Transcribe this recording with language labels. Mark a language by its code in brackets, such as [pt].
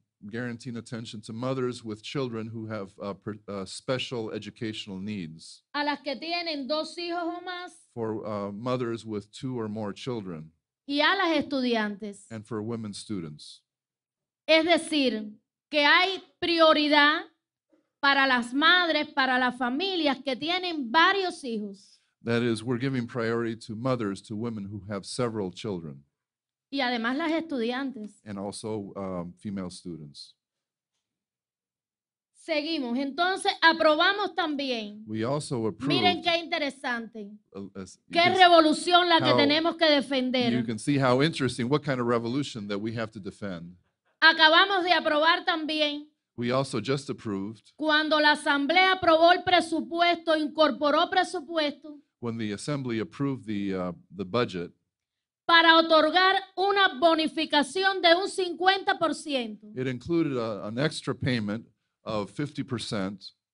[en] Guaranteeing attention to mothers with children who have special educational needs. [es] A las que tienen dos hijos o más. [en] For mothers with two or more children. [es] Y a las estudiantes. [en] And for women students. [es] Es decir, que hay prioridad para las madres, para las familias que tienen varios hijos. [en] That is, we're giving priority to mothers, to women who have several children. [es] Y además las estudiantes. [en] And also female students. [es] Seguimos. Entonces aprobamos también. [en] We also approved. [es] Miren qué interesante. Qué revolución la que tenemos que defender. [en] You can see how interesting, what kind of revolution that we have to defend. [es] Acabamos de aprobar también. [en] We also just approved. [es] Cuando la Asamblea aprobó el presupuesto, incorporó presupuesto. [en] When the Assembly approved the budget. [es] Para otorgar una bonificación de un 50%. [en] It included an extra payment of 50%.